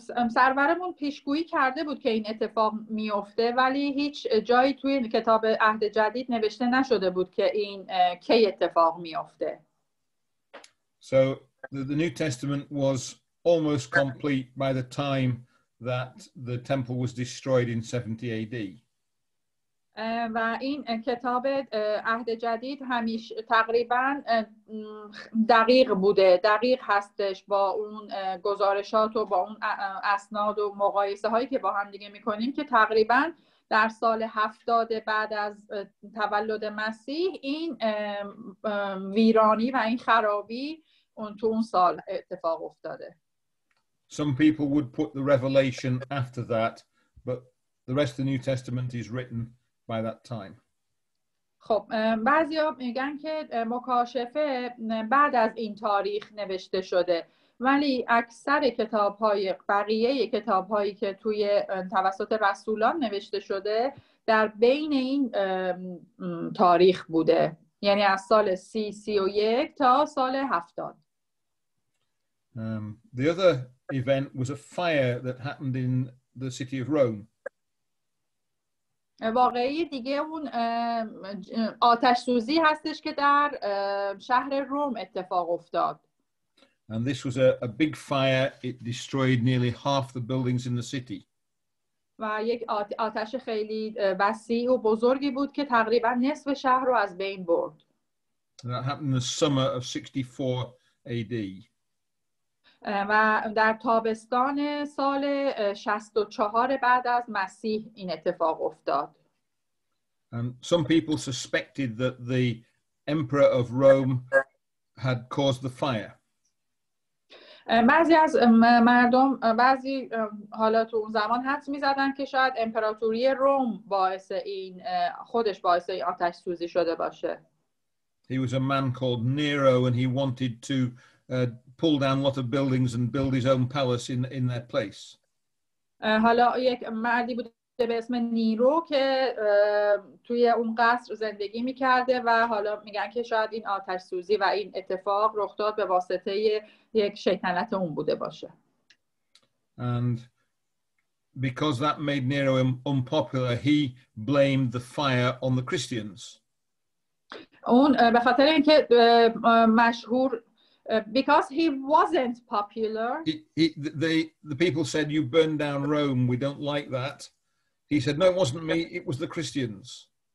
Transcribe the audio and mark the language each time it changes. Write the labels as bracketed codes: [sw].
[fa] سرورمون پیشگویی کرده بود که این اتفاق میفته ولی هیچ جایی توی کتاب عهد جدید نوشته نشده بود که این کی اتفاق میفته. [en] So the New Testament was almost complete by the time that the temple was destroyed in 70 AD. [fa] و این کتاب عهد جدید همیشه تقریبا دقیق بوده دقیق هستش با اون گزارشات و با اون اسناد و مقایسه هایی که با هم دیگه میکنیم که تقریبا در سال 70 بعد از تولد مسیح این ویرانی و این خرابی اون تو اون سال اتفاق افتاده. [en] Some people would put the revelation after that, but the rest of the New Testament is written by that time. [fa] خب بعضیا میگن که مکاشفه بعد از این تاریخ نوشته شده ولی اکثر کتاب‌های بقیه کتاب‌هایی که توی توسط رسولان نوشته شده در بین این تاریخ بوده یعنی از سال 30-31 تا سال 70. [en] The other event was a fire that happened in the city of Rome. [fa] واقعی دیگه اون آتش سوزی هستش که در شهر روم اتفاق افتاد. [en] And this was a big fire. It destroyed nearly half the buildings in the city. [fa] و یک آتش خیلی وسیع و بزرگی بود که تقریبا نصف شهر رو از بین برد. [en] That happened in the summer of 64 AD. [fa] و در تابستان سال 64 بعد از مسیح این اتفاق افتاد. [en] And some people suspected that the emperor of Rome had caused the fire. [fa] بعضی از مردم بعضی حالا تو اون زمان حدس می‌زدن که شاید امپراتوری روم باعث این خودش باعث این آتش سوزی شده باشه. [en] He was a man called Nero and he wanted to pull down a lot of buildings and build his own palace in their place. [fa] حالا یک مردی بود به اسم نیرو که توی اون قصر زندگی می‌کرده و حالا میگن که شاید این آتش سوزی و این اتفاق رخ داد به واسطه یک شیطنت اون بوده باشه. [en] And because that made Nero unpopular, he blamed the fire on the Christians. [fa] اون به خاطر اینکه مشهور [en] because he wasn't popular the people said you burned down Rome we don't like that he said no it wasn't me it was the Christians